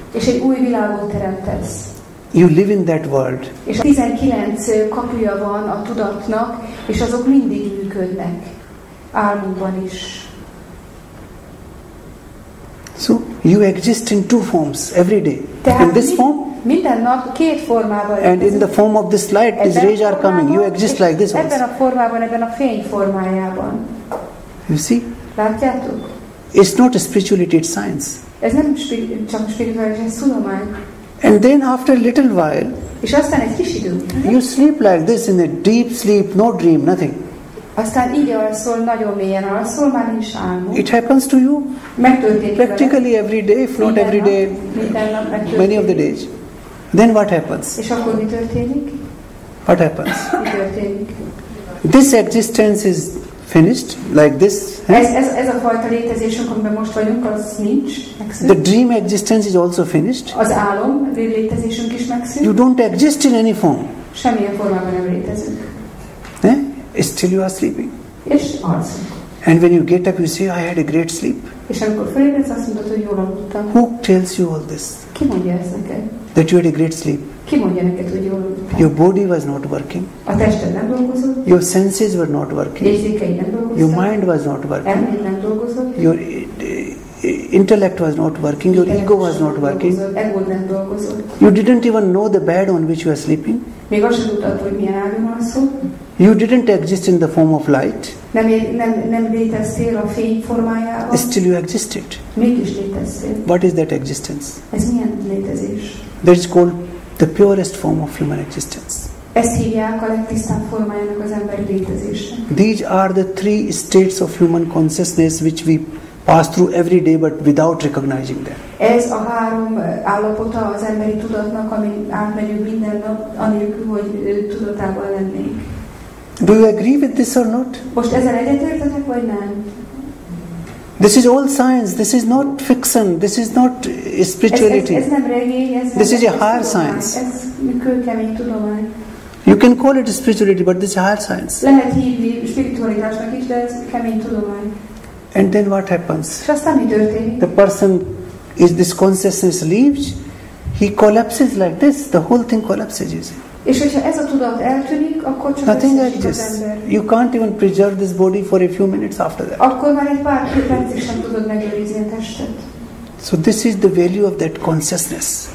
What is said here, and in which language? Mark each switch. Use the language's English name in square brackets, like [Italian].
[Hungarian] És egy új világot teremtesz. [English] You live in that world. [Hungarian] És 19 kapuja van a tudatnak, és azok mindig működnek. Álmunkban is. [English] So, you exist in two forms every day. In this form? [Hungarian] Minden nap két formában. [English] And in the form of this light, these rays are coming. You exist like this. [Hungarian] Ebben a formában, ebben a fény formájában. [English] You see? [Hungarian] Látjátok? [English] It's not a spirituality, it's science. [Hungarian] Ez nem csak spirituális, ez tudomány. [English] And then after a little while, [Hungarian] és aztán egy kis idő, [English] you sleep like this in a deep sleep, no dream, nothing. [Hungarian] Aztán így alszol, nagyon mélyen alszol, már nincs álmod. [English] It happens to you? [Hungarian] Megtörténik. [English] Practically every day, if not every day, many of the days. Then what happens? [Hungarian] És akkor mi történik? [English] What happens? [Hungarian] Mi történik? [English] This existence is finished, like this. [Hungarian] Ez a fajta létezésünk, amiben most vagyunk, az nincs, megszűnt. [English] The dream existence is also finished. [Hungarian] Az álom létezésünk is megszűnt. [English] You don't exist in any form. [Hungarian] Semmilyen formában nem létezünk. [English] Still you are sleeping. [Hungarian] És alszunk. [English] And when you get up, you say, I had a great sleep. [Hungarian] És amikor felébredsz, azt mondod, hogy jól aludtam. [English] Who tells you all this? [Hungarian] Ki mondja ezt neked? [English] That you had a great sleep. [Hungarian] Ki mondja neked, hogy jól aludtam? [English] Your body was not working. [Hungarian] A tested nem dolgozott. [English] Your senses were not working. [Hungarian] Érzékei nem dolgoztak. [English] Your mind was not working. [Hungarian] Elméd nem dolgozott. [English] Your intellect was not working. Your ego was not working. [Hungarian] Egód nem dolgozott. [English] You didn't even know the bed on which you were sleeping. [Hungarian] Még azt sem tudtad, hogy milyen ágyon alszol. [English] You didn't exist in the form of light. [Hungarian] Nem léteztél a fény formájában. [English] Still you existed. [Hungarian] Mégis léteztél. [English] What is that existence? [Hungarian] Ez milyen létezés? [English] That is called the purest form of human existence. [Hungarian] Ezt hívják a legtisztább formájának az emberi létezésnek. [English] These are the three states of human consciousness which we pass through every day but without recognizing them. [Hungarian] Ez a három állapota az emberi tudatnak, ami átmegyünk minden nap, anélkül, hogy tudatában lennénk. [English] Do you agree with this or not? [Hungarian] Most ezzel egyetértetek vagy nem? [English] This is all science. This is not fiction. This is not spirituality. [Hungarian] Ez nem regény, ez [English] this [Hungarian] nem [English] is a higher science. [Hungarian] Ez kőkemény tudomány. [English] You can call it spirituality, but this is higher science. [Hungarian] Lehet hívni spiritualitásnak is, de ez kemény tudomány. [English] And then what happens? [Hungarian] És aztán mi történik? [English] The person is this consciousness leaves, he collapses like this. The whole thing collapses, you see. [Hungarian] És hogyha ez a tudat eltűnik, akkor csak [English] nothing [Hungarian] összesít [English] like [Hungarian] az ember. [English] You can't even preserve this body for a few minutes after that. [Hungarian] Akkor már egy pár percig sem tudod megőrizni a testet. [English] So this is the value of that consciousness.